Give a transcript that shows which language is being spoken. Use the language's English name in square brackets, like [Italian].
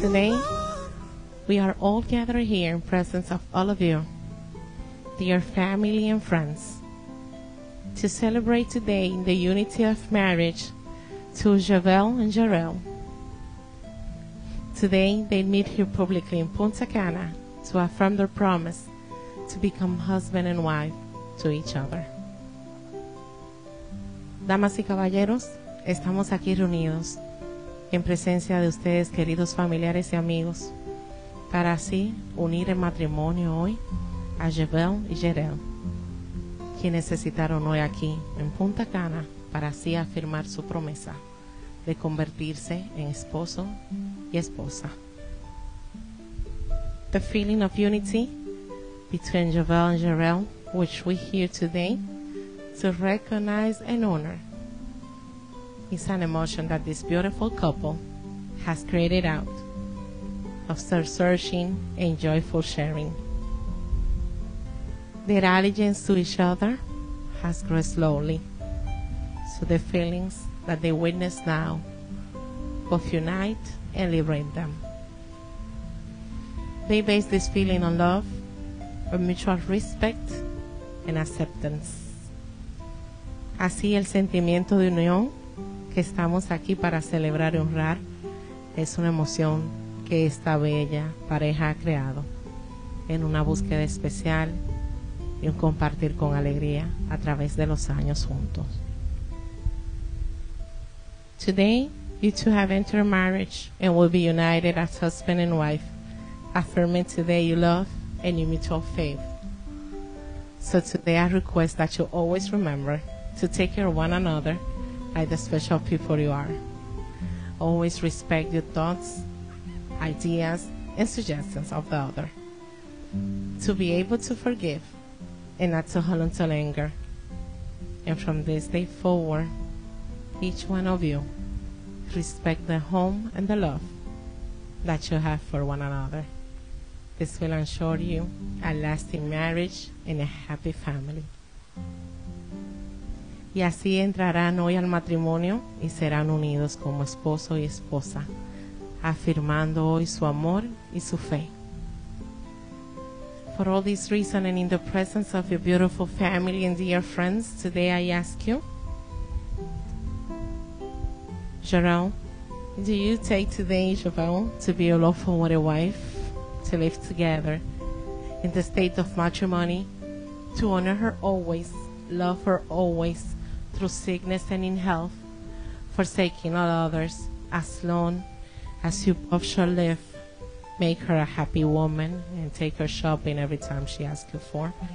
[English] Today, we are all gathered here in presence of all of you, dear family and friends, to celebrate today in the unity of marriage to Javel and Jarell. Today, they meet here publicly in Punta Cana to affirm their promise to become husband and wife to each other. [Spanish] Damas y caballeros, estamos aquí reunidos en presencia de ustedes, queridos familiares y amigos, para así unir en matrimonio hoy a Javel y Jarell. que necesitaron hoy aquí en Punta Cana para así afirmar su promesa de convertirse en esposo y esposa. [English] The feeling of unity between Javel and Jarell, which we hear today, to recognize and honor, is an emotion that this beautiful couple has created out of searching and joyful sharing. Their allegiance to each other has grown slowly, so the feelings that they witness now both unite and liberate them. They base this feeling on love, on mutual respect and acceptance. [Spanish] Así el sentimiento de unión que estamos aquí para celebrar y honrar es una emoción que esta bella pareja ha creado en una búsqueda especial y un compartir con alegría a través de los años juntos. [English] Today, you two have entered marriage and will be united as husband and wife, affirming today your love and your mutual faith. So today I request that you always remember to take care of one another like the special people you are. Always respect your thoughts, ideas, and suggestions of the other. To be able to forgive and not to hold on to anger. And from this day forward, each one of you respect the home and the love that you have for one another. This will ensure you a lasting marriage and a happy family. [Spanish] Y así entrarán hoy al matrimonio y serán unidos como esposo y esposa, afirmando hoy su amor y su fe. [English] For all these reasons and in the presence of your beautiful family and dear friends, today I ask you, Jarell, do you take today, Jarell, to be a lawful wedded wife, to live together in the state of matrimony, to honor her always, love her always, through sickness and in health, forsaking all others, as long as you both shall live, make her a happy woman and take her shopping every time she asks you for?